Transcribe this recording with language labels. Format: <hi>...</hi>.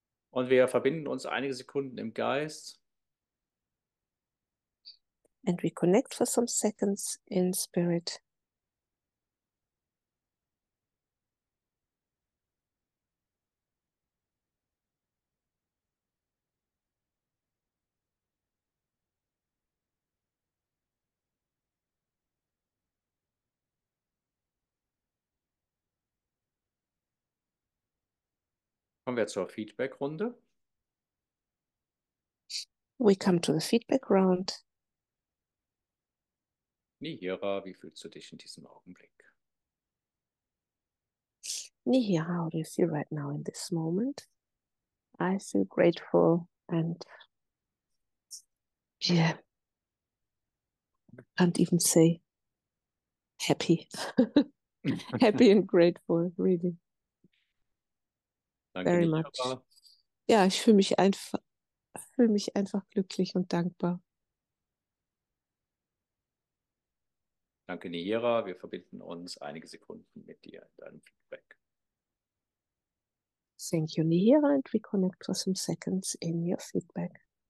<de>Und wir verbinden uns einige Sekunden im Geist.</de> <en>And we connect for some seconds in spirit.</en> <de>Kommen wir zur Feedback-Runde.</de> <en>We come to the feedback round.</en> <de>Nihira, wie fühlst du dich in diesem Augenblick?</de> <en>Nihira, how do you feel right now in this moment? I feel grateful and yeah, can't even say happy. Happy and grateful, really.</en> <de>Danke,</de> <en>very much. Nihira.</en> <de>Ja, ich fühle mich einfach glücklich und dankbar. Danke, Nihira. Wir verbinden uns einige Sekunden mit dir in deinem Feedback.</de> <en>Thank you, Nihira, and we connect for some seconds in your feedback.</en>